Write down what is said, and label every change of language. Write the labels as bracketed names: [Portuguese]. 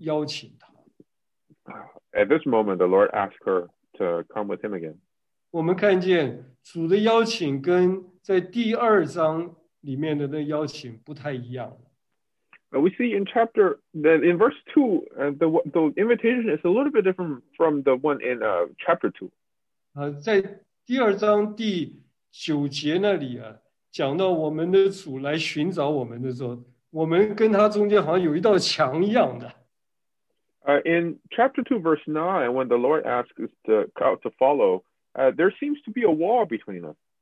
[Chinese] 这个时候，主再来邀请她。 [English] At this moment, the Lord asked her to come with him again. [Chinese] 我们看见主的邀请跟 在第二章里面的那邀请不太一样。 [English] We see in chapter that in verse 2, the invitation is a little bit different from the one in chapter 2. [Chinese] 在第二章第九节那里，讲到我们的主来寻找我们的时候，我们跟他中间好像有一道墙一样的。 [English] In chapter 2, verse 9, when the Lord asks the crowd to follow, there seems to be a wall between us.